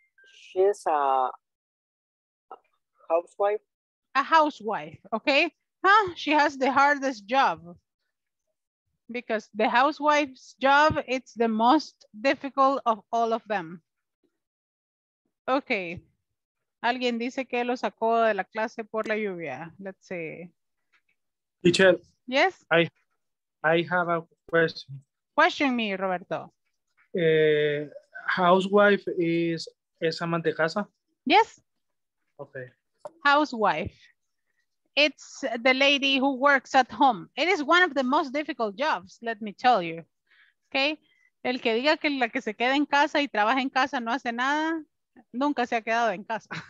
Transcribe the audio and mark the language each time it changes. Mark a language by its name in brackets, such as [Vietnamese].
[English] She's a housewife. A housewife, okay. Huh, she has the hardest job because the housewife's job, it's the most difficult of all of them. Okay. [Spanish] Alguien dice que lo sacó de la clase por la lluvia. [English] Let's see. Teacher. Yes? I have a question. Question me, Roberto. Housewife is [Spanish] ama de casa? [English] Yes. Okay. Housewife. It's the lady who works at home. It is one of the most difficult jobs, let me tell you. Okay, [Spanish] El que diga que la que se queda en casa y trabaja en casa no hace nada, nunca se ha quedado en casa.